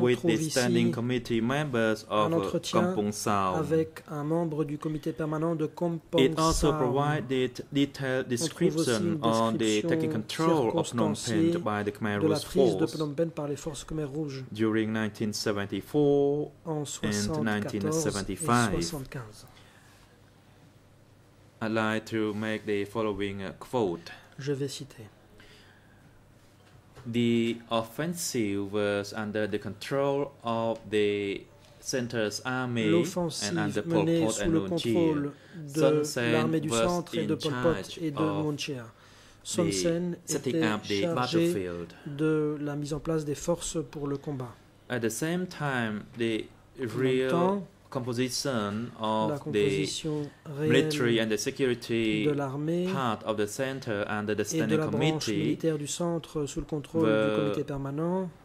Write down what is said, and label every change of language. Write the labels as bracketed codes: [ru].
[en] with the standing committee members of Kampong Sao. [fr] Avec un membre du comité permanent de Kampong [en] it also provided detailed description on the taking control of Phnom Penh by the Khmer Rouge force [fr] de Phnom Penh par les forces Khmer Rouge [en] during 1974 and 1975. I'd like to make the following quote. [fr] Je vais citer. [en] The offensive was under the control of the center's army and under Pol Pot and Nunchia. Sun Sen was in charge of setting up the battlefield. [fr] De la mise en place des forces pour le combat. [en] At the same time, the real composition of the military and the security part of the center under the standing committee [fr] du centre sous le contrôle du comité permanent